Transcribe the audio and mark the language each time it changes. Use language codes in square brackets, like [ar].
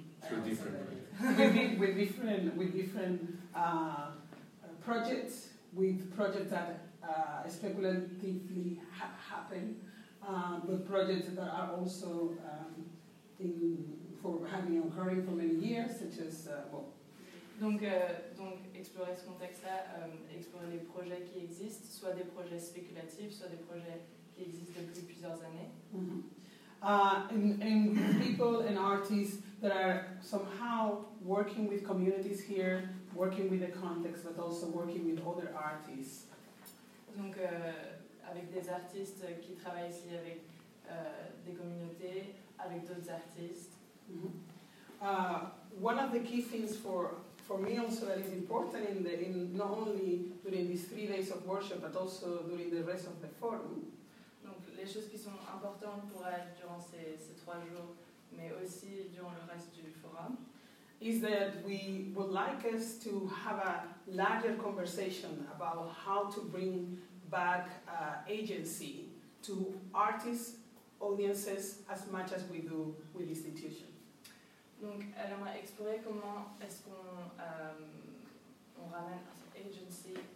[en] With different projects, with projects that speculatively happen, but projects that are also having occurring for many years, such as [fr] Donc explorer ce contexte-là, explorer les projets qui existent, soit des projets spéculatifs, soit des projets qui existent depuis plusieurs années. Mm-hmm. [en] And people and artists that are somehow working with communities here, working with the context, but also working with other artists. [fr] Donc avec des artistes qui travaillent ici avec des communautés, avec d'autres artistes. Mm-hmm. [en] One of the key things for me also that is important in not only during these 3 days of worship, but also during the rest of the forum. [fr] Donc les choses qui sont importantes pour elle durant ces 3 jours, mais aussi durant le reste du forum. [en] Is that we would like us to have a larger conversation about how to bring back agency to artists, audiences, as much as we do with institutions. [fr] Donc, elle aimerait explorer comment est-ce qu'on on ramène agency.